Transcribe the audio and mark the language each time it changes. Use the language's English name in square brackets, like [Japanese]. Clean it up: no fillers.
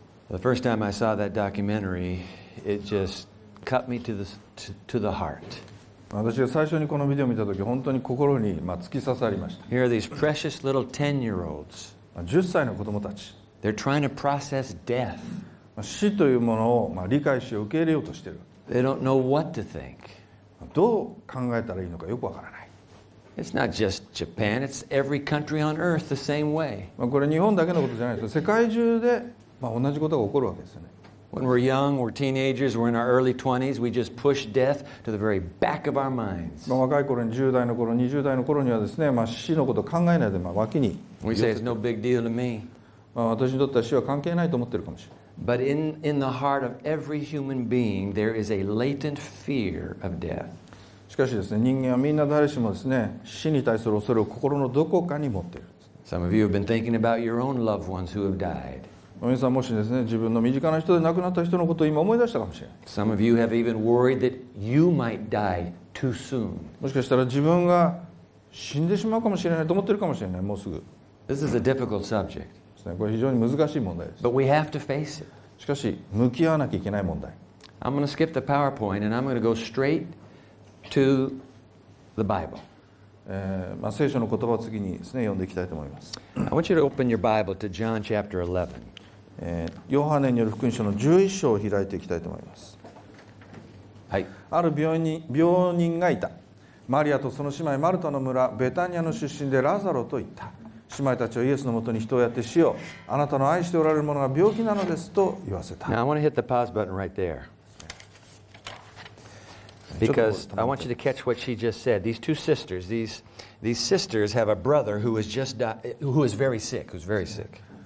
[English] The first time I saw that documentary, it just cut me to the heart. [Japanese] 私が最初にこのビデオを見たとき、本当に心に突き刺さりました。 [English] Here are these precious little 10-year-olds. [Japanese] 10歳の子供たち。 [English] They're trying to process death. [Japanese] 死というものを理解し、受け入れようとしている。 [English] They don't know what to think. [Japanese] どう考えたらいいのかよくわからない。 [English] It's not just Japan. It's every country on earth the same way. [Japanese] これ日本だけのことじゃないです。世界中で同じことが起こるわけですよね。 [English] When we're young, we're teenagers, we're in our early 20s, we just push death to the very back of our minds. [Japanese] 若い頃に10代の頃、20代の頃にはですね、死のことを考えないで脇に。 [English] We say it's no big deal to me. [Japanese] 私にとっては死は関係ないと思ってるかもしれない。 [English] But in the heart of every human being, there is a latent fear of death. [Japanese] しかしですね、人間はみんな誰しもですね、死に対する恐れを心のどこかに持っている。 [English] Some of you have been thinking about your own loved ones who have died. [Japanese] 皆さんもしですね、自分の身近な人で亡くなった人のことを今思い出したかもしれない。 [English] Some of you have even worried that you might die too soon. [Japanese] もしかしたら自分が死んでしまうかもしれないと思っているかもしれない、もうすぐ。 [English] This is a difficult subject. [Japanese] これ非常に難しい問題です。 [English] But we have to face it. [Japanese] しかし、向き合わなきゃいけない問題。 [English] I'm going to skip the PowerPoint and I'm going to go straightTo the Bible. [Japanese] 聖書の言葉を次にですね、読んでいきたいと思います。 [English] I want you to open your Bible to John chapter 11. [Japanese] ヨハネによる福音書の11章を開いていきたいと思います。はい。ある病人がいた。マリアとその姉妹マルタの村、ベタニアの出身でラザロと言った。姉妹たちをイエスのもとに人をやって死を、あなたの愛しておられるものが病気なのですと言わせた。 [English] Now I want to hit the pause button right there. Because I want you to catch what she just said. These two sisters, these, These sisters have a brother who is just died, who is very sick, who's very sick.